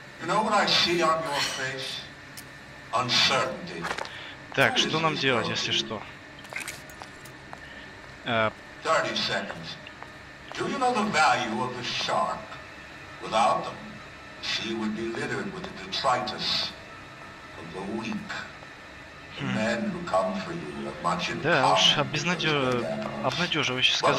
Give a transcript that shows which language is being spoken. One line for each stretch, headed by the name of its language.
English: You know what I see on your face? Uncertainty.
Russian: Так, что нам делать, если что?
English: 30 seconds. Do you know the value of the shark? Without them, the sea would be littered with the detritus of the weak. The men who come for you have much in common.
Russian: Да, уж обнадеживающе сказал.